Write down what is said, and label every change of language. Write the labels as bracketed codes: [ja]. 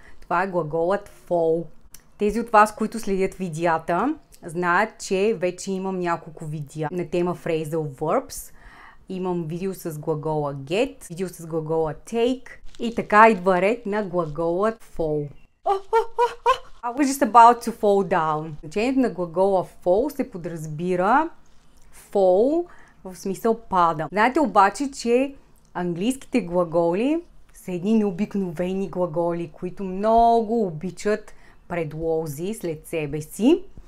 [bg] Това е глаголът fall. Тези от вас, които следят видеята, знаят, че вече имам няколко видеа на тема phrasal verbs. Имам видео с глагола get, видео с глагола take и така идва ред на глаголът fall. [en] I was just about to fall down. [bg] Значението на глагола fall се подразбира fall в смисъл пада. Знаете обаче, че английските глаголи са едни необикновени глаголи, които много обичат предлози след себе си.